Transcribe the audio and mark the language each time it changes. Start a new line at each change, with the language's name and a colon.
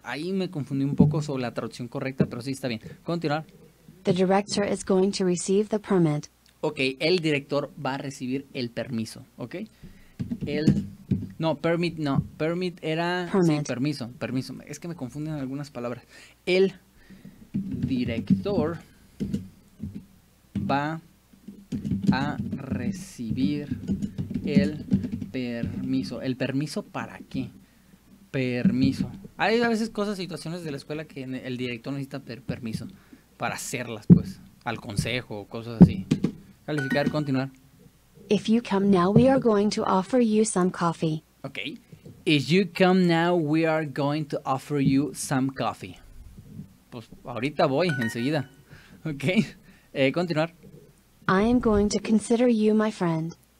Spanish: Ahí me confundí un poco sobre la traducción correcta, pero sí está bien. Continuar.
English: The director is going to receive the permit.
Spanish: Ok, el director va a recibir el permiso. Ok. Permit era...
English: Permit.
Spanish: Sí, permiso. Es que me confunden algunas palabras. El director va a recibir el permiso. ¿El permiso para qué? Permiso. Hay a veces cosas, situaciones de la escuela que el director necesita permiso para hacerlas, pues, al consejo o cosas así. Calificar, continuar.
English: If you come now, we are going to offer you some coffee. Okay. If you come now, we are going to offer you some coffee.
Spanish: Pues ahorita voy, enseguida. Okay. Continuar.
English: I am going to consider you my friend.